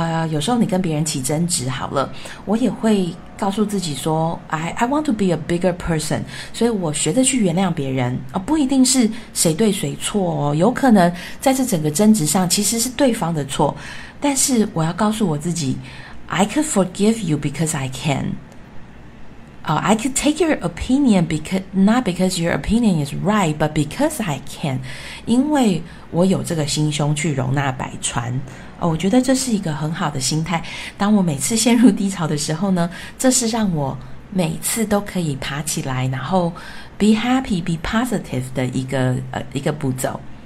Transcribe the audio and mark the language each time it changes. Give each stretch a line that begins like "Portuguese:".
Chinese: 有时候你跟别人起争执好了，我也会告诉自己说
English: I want to be a bigger person，
Chinese: 所以我学着去原谅别人不一定是谁对谁错哦，有可能在这整个争执上其实是对方的错，但是我要告诉我自己
English: I could forgive you because I can。 I could take your opinion because, not because your opinion is right, but because I can.
Chinese: 因为我有这个心胸去容纳百川。我觉得这是一个很好的心态。当我每次陷入低潮的时候呢，这是让我每次都可以爬起来，然后
English: be happy, be positive
Chinese: 的一个步骤。